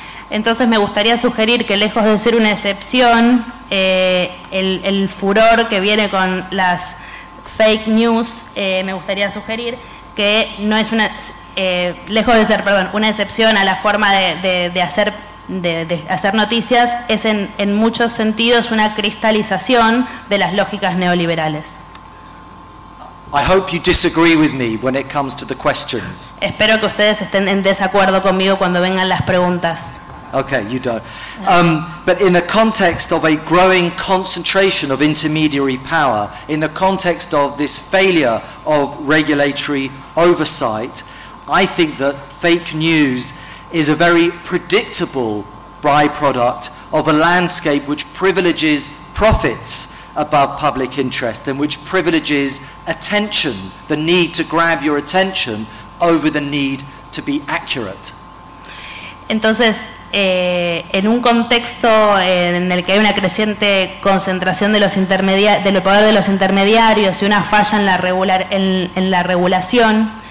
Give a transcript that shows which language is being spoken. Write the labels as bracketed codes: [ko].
[es] Entonces me gustaría sugerir que, lejos de ser una excepción, el furor que viene con las fake news, me gustaría sugerir que no es una, lejos de ser, perdón, una excepción a la forma de hacer noticias, es en muchos sentidos una cristalización de las lógicas neoliberales. [en] I hope you disagree with me when it comes to the questions. [es] Espero que ustedes estén en desacuerdo conmigo cuando vengan las preguntas. [en] Okay, you don't. But in the context of a growing concentration of intermediary power, in the context of this failure of regulatory oversight, I think that fake news is a very predictable byproduct of a landscape which privileges profits above public interest and which privileges attention, the need to grab your attention, over the need to be accurate. [es] Entonces, en un contexto en el que hay una creciente concentración del poder de los intermediarios y una falla en la regulación,